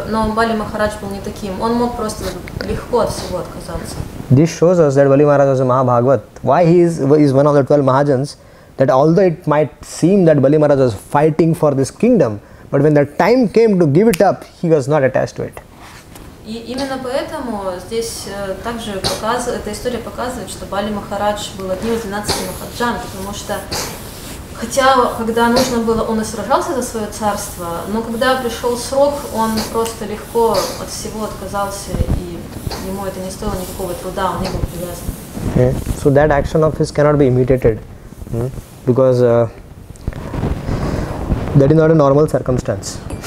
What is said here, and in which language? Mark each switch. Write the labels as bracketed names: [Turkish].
[Russian] Но Бали Махарадж был не таким. Он мог просто легко от всего отказаться. [English] This shows us that Bali Maharaj was a Mahabhagavat. Why he is one of the 12 Mahajans, that although it might seem that Bali Maharaj was fighting for this kingdom, but when the time came to give it up, he was not attached to it. [Russian] И именно поэтому здесь также эта история показывает, что Бали Махарадж был одним из 12 махаджан, потому что хотя когда нужно было, он и сражался за свое царство, но когда пришел срок, он просто легко от всего отказался, и ему это не стоило никакого труда, он не был привязан. [English] Okay. So that action of his cannot be imitated, because that is not a normal circumstance.